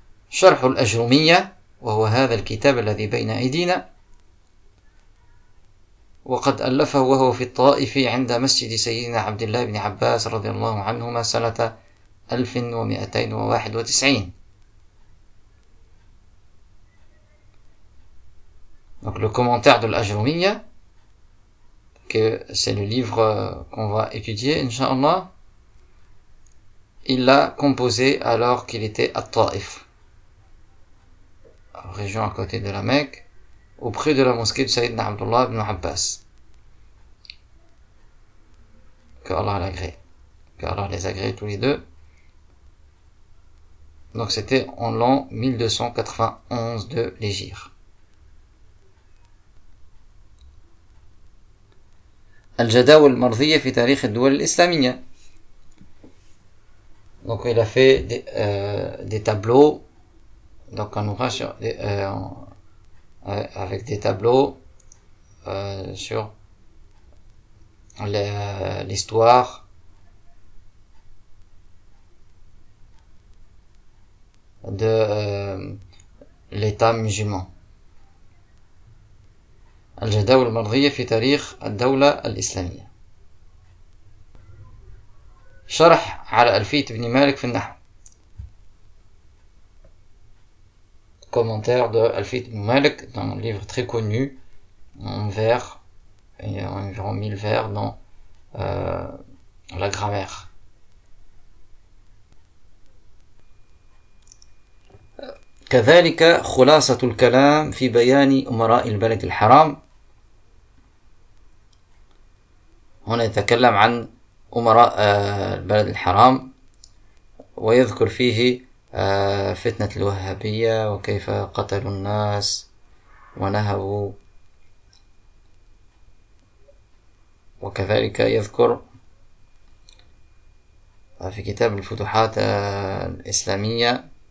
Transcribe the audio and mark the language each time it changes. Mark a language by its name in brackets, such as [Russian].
[Arabic] شرح الأجرمية وهو هذا الكتاب الذي بين أيدينا وقد ألفه وهو في الطائف عند مسجد سيدنا عبد الله بن عباس رضي الله عنهما سنة 1291. [French] Donc le commentaire de l'Ajrumiyya, que c'est le livre qu'on va étudier, Inch'Allah, il l'a composé alors qu'il était à Taif, région à côté de la Mecque, auprès de la mosquée de Sayyidina Abdullah ibn Abbas. Que Allah l'agrée. Que Allah les agrée tous les deux. Donc c'était en l'an 1291 de l'Hégire. [Arabic] الجداول المرضية في تاريخ الدول الإسلامية. [French] Donc il a fait des tableaux, donc un ouvrage avec des tableaux sur l'histoire de l'État musulman. [Arabic] الجداول المرضية في تاريخ الدولة الإسلامية. شرح على ألفية ابن مالك في النحو. [French] Commentaire de ألفية ابن مالك dans un livre très connu en vers, environ 1000 vers dans la grammaire. [Arabic] كذلك خلاصة الكلام في بيان أمراء البلد الحرام. هنا يتكلم عن أمراء البلد الحرام ويذكر فيه فتنة الوهابية وكيف قتلوا الناس ونهبوا وكذلك يذكر في كتاب الفتوحات الإسلامية